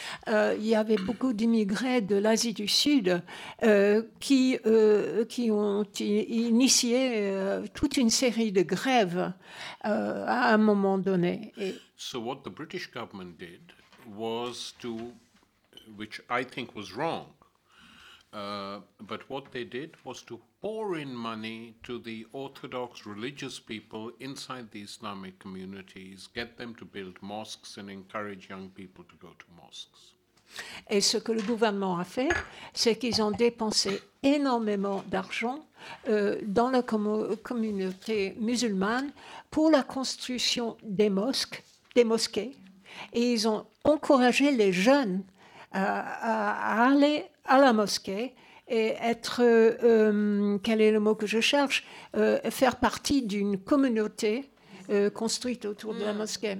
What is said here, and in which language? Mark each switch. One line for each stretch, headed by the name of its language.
French: Il y avait beaucoup d'immigrés de l'Asie du Sud qui ont initié toute une série de grèves à un moment donné. Et
English: so what the British government did was to, which I think was wrong, but what they did was to pour in money to the orthodox religious people inside the Islamic communities, get them to build mosques and encourage young people to go to mosques.
French: Et ce que le gouvernement a fait, c'est qu'ils ont dépensé énormément d'argent dans la communauté musulmane pour la construction des mosquées, et ils ont encouragé les jeunes à aller à la mosquée et être, quel est le mot que je cherche, faire partie d'une communauté construite autour de la mosquée.